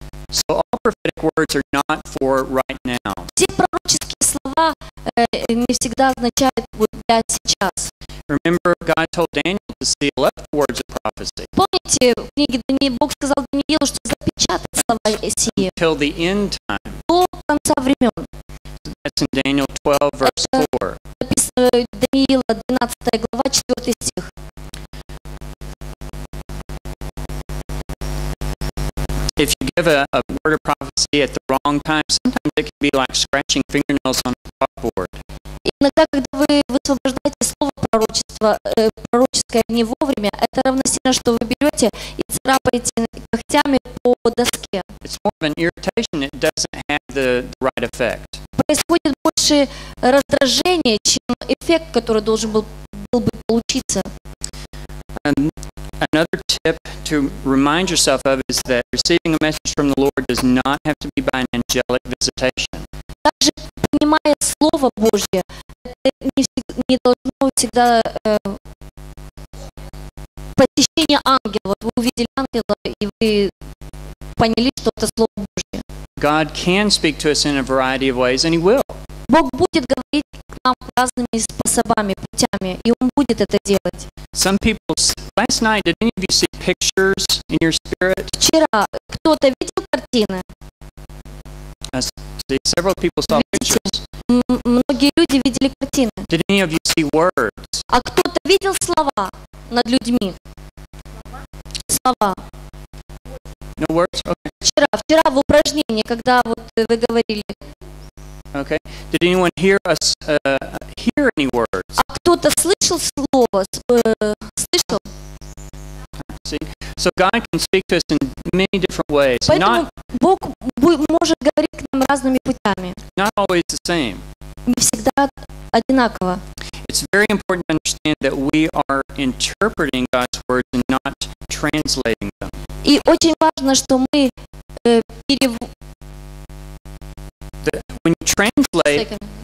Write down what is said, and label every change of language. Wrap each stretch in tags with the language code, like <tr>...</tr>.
<en>So all prophetic words are not for right now.</en> <ru>Все пророческие слова не всегда означают вот для сейчас.</ru> <en>Remember, God told Daniel to seal up the words of prophecy.</en> <ru>Помните, в книге Даниила Бог сказал Даниилу, что запечатать слова сии.</ru> <en>Until the end time.</en> <ru>До конца времен.</ru> <en>So that's in Daniel 12, verse 4.</en> <ru>Написано Даниила 12 глава 4 стих.</ru> <en>If you give a word of prophecy at the wrong time, sometimes it can be like scratching fingernails on a chalkboard.</en> <ru>Иногда, когда вы высвобождаете слово пророческое не вовремя, это равносильно, что вы берете и царапаете когтями по доске.</ru> <en>It's more of an irritation, it doesn't have the right effect.</en> <ru>Происходит больше раздражение, чем эффект, который должен был бы получиться.</ru> <en>Another tip to remind yourself of is that receiving a message from the Lord does not have to be by an angelic visitation.</en> <ru>Также принимая слово Божье, это не должно всегда посещение ангела. Вот вы увидели ангела и вы поняли, что это слово Божье.</ru> <en>God can speak to us in a variety of ways, and He will.</en> <ru>Бог будет говорить к нам разными способами, путями, и Он будет это делать.</ru> <en>Some people, last night, did any of you see pictures in your spirit?</en> <ru>Вчера кто-то видел картины?</ru> <en>Several people saw pictures.</en> <ru>Многие люди видели картины.</ru> <en>Did any of you see words?</en> <ru>А кто-то видел слова над людьми? Слова.</ru> <en>No words? Okay.</en> <ru>Вчера в упражнении, когда вот вы говорили.</ru> <en>Okay. Did anyone hear us hear any words?</en> <ru>А кто-то слышал слово? Слышал?</ru> <en>See? So God can speak to us in many different ways.</en> <ru>Поэтому Бог может говорить к нам разными путями.</ru> <en>Not always the same.</en> <ru>Не всегда одинаково.</ru> <en>It's very important to understand that we are interpreting God's words and not translating them.</en> <ru>И очень важно, что мы</ru> <en>When you translate,</en>